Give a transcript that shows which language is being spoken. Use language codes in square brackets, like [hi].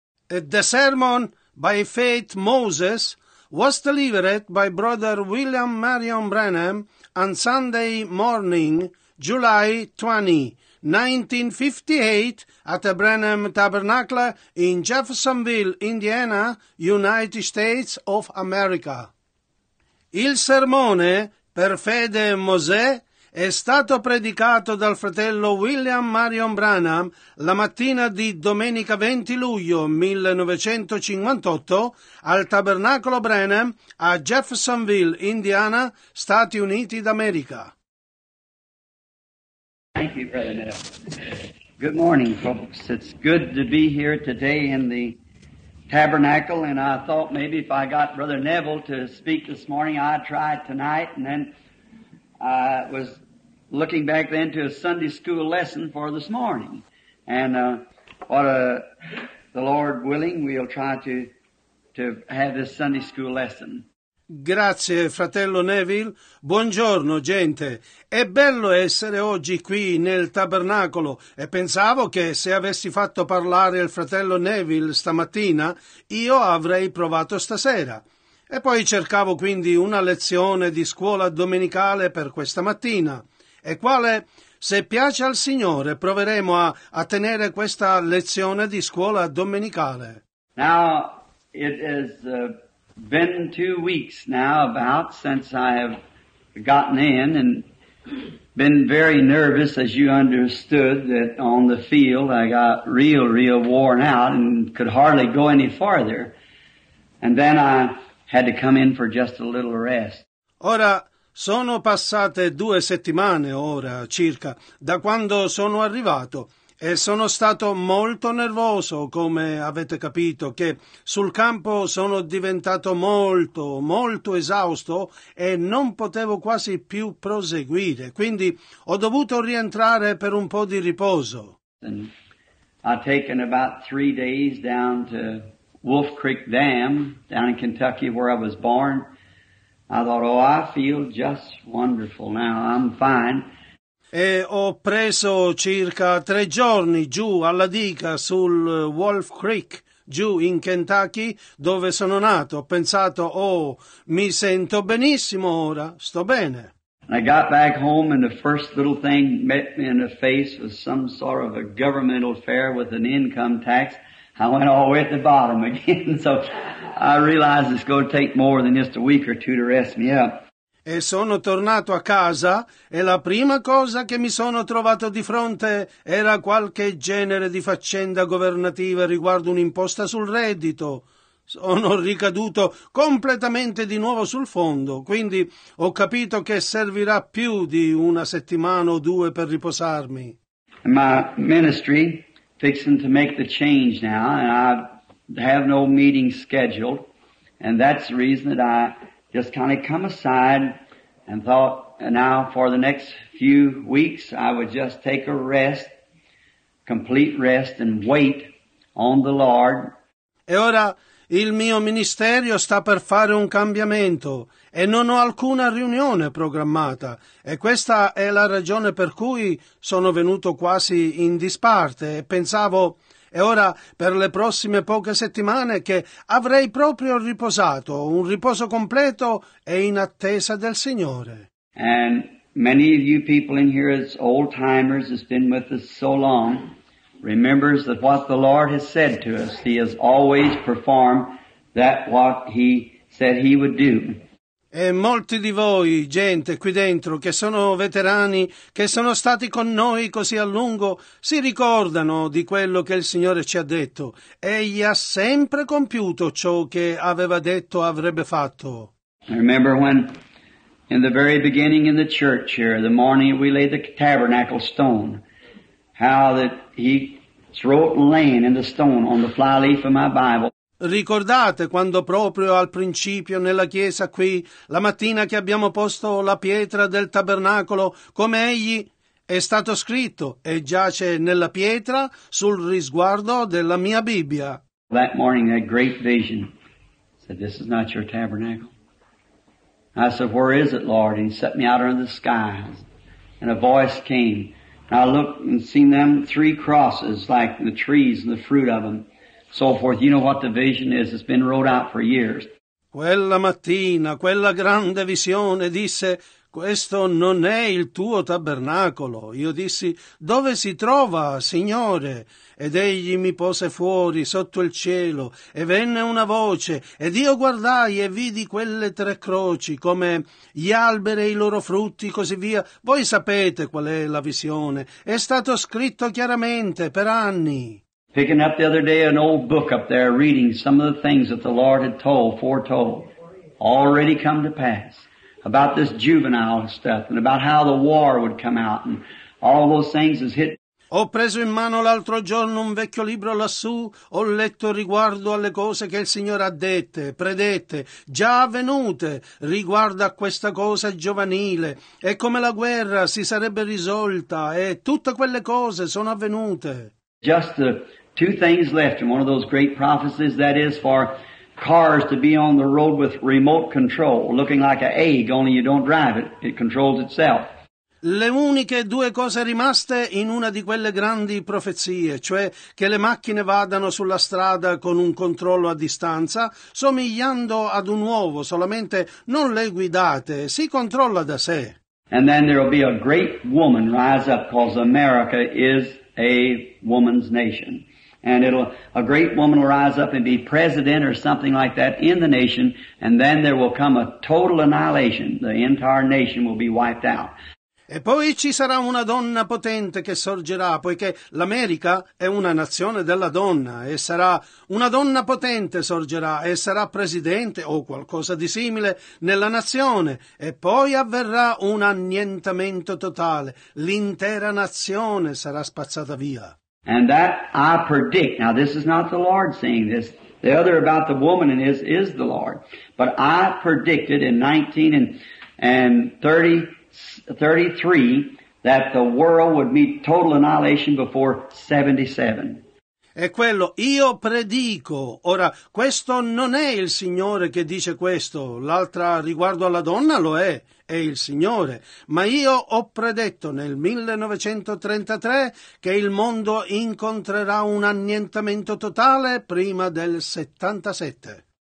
[en] The sermon by faith Moses was delivered by Brother William Marion Branham on Sunday morning, July 20, 1958, at the Branham Tabernacle in Jeffersonville, Indiana, United States of America. [it] Il sermone per fede Mosè è stato predicato dal fratello William Marion Branham la mattina di domenica 20 luglio 1958 al Tabernacolo Branham a Jeffersonville, Indiana, Stati Uniti d'America. [en] Thank you, Brother Neville. Good morning, folks. It's good to be here today in the Tabernacle, and I thought maybe if I got Brother Neville to speak this morning, I'd try it tonight, and then I was looking back then to a Sunday school lesson for this morning. And the Lord willing, we'll try to have this Sunday school lesson. [it] Grazie, fratello Neville. Buongiorno, gente. È bello essere oggi qui nel tabernacolo e pensavo che se avessi fatto parlare il fratello Neville stamattina, io avrei provato stasera. E poi cercavo quindi una lezione di scuola domenicale per questa mattina. E quale? Se piace al Signore, proveremo a tenere questa lezione di scuola domenicale. [en] Now, it is been 2 weeks now about since I have gotten in and been very nervous, as you understood, that on the field I got real, real worn out and could hardly go any farther. And then I had to come in for just a little rest. [it] Ora, sono passate 2 settimane ora circa da quando sono arrivato e sono stato molto nervoso, come avete capito, che sul campo sono diventato molto, molto esausto e non potevo quasi più proseguire. Quindi ho dovuto rientrare per un po' di riposo. [en] And I've taken about 3 days down to Wolf Creek Dam, down in Kentucky, where I was born. I thought, oh, I feel just wonderful now, I'm fine. [it] E ho preso circa 3 giorni giù alla diga sul Wolf Creek, giù in Kentucky, dove sono nato. Ho pensato, oh, mi sento benissimo ora, sto bene. [en] And I got back home and the first little thing met me in the face was some sort of a governmental affair with an income tax. I went all the way at the bottom again, so I realized it's going to take more than just a week or two to rest me up. [it] E sono tornato a casa e la prima cosa che mi sono trovato di fronte era qualche genere di faccenda governativa riguardo un'imposta sul reddito. Sono ricaduto completamente di nuovo sul fondo, quindi ho capito che servirà più di una settimana o due per riposarmi. [en] My ministry fixing to make the change now, and I have no meeting scheduled, and that's the reason that I just kind of come aside and thought, and now for the next few weeks, I would just take a rest, complete rest, and wait on the Lord. [it] E ora il mio ministerio sta per fare un cambiamento e non ho alcuna riunione programmata. E questa è la ragione per cui sono venuto quasi in disparte e pensavo, e ora per le prossime poche settimane, che avrei proprio riposato, un riposo completo e in attesa del Signore. [en] And many of you people in here as old timers has been with us so long, remembers that what the Lord has said to us, He has always performed that what He said He would do. [it] E molti di voi, gente qui dentro, che sono veterani, che sono stati con noi così a lungo, si ricordano di quello che il Signore ci ha detto. Egli ha sempre compiuto ciò che aveva detto avrebbe fatto. [en] I remember when, in the very beginning in the church here, the morning we laid the tabernacle stone, how that He wrote laying in the stone on the flyleaf of my Bible. [it] Ricordate quando proprio al principio nella chiesa qui, la mattina che abbiamo posto la pietra del tabernacolo, come egli è stato scritto e giace nella pietra sul risguardo della mia Bibbia. [en] That morning a great vision said, this is not your tabernacle. I said, where is it, Lord? And He set me out under the skies. And a voice came. And I looked and seen them 3 crosses like the trees and the fruit of them. so forth. You know what the vision is. It's been wrote out for years. [it] Quella mattina, quella grande visione, disse, questo non è il tuo tabernacolo. Io dissi, dove si trova, Signore? Ed egli mi pose fuori, sotto il cielo, e venne una voce, ed io guardai e vidi quelle tre croci, come gli alberi e i loro frutti, così via. Voi sapete qual è la visione. È stato scritto chiaramente per anni. [en] Picking up the other day an old book up there, reading some of the things that the Lord had foretold, already come to pass, about this juvenile stuff, and about how the war would come out, and all those things has hit. [it] Ho preso in mano l'altro giorno un vecchio libro lassù, ho letto riguardo alle cose che il Signore ha dette, predette, già avvenute, riguardo a questa cosa giovanile, e come la guerra si sarebbe risolta, e tutte quelle cose sono avvenute. [en] Just the two things left in one of those great prophecies, that is for cars to be on the road with remote control, looking like an egg, only you don't drive it, it controls itself. [it] Le uniche due cose rimaste in una di quelle grandi profezie, cioè che le macchine vadano sulla strada con un controllo a distanza, somigliando ad un uovo, solamente non le guidate, si controlla da sé. [en] And then there will be a great woman rise up, because America is a woman's nation. And a great woman will rise up and be president or something like that in the nation, and then there will come a total annihilation. The entire nation will be wiped out. [it] E poi ci sarà una donna potente che sorgerà, poiché l'America è una nazione della donna, e sarà una donna potente sorgerà e sarà presidente o qualcosa di simile nella nazione, e poi avverrà un annientamento totale, l'intera nazione sarà spazzata via. [en] And that I predict, now this is not the Lord saying this, the other about the woman in this is the Lord, but I predicted in 1933 that the world would meet total annihilation before 77. [it] È quello, io predico. Ora, questo non è il Signore che dice questo, l'altra riguardo alla donna lo è il Signore, ma io ho predetto nel 1933 che il mondo incontrerà un annientamento totale prima del 77.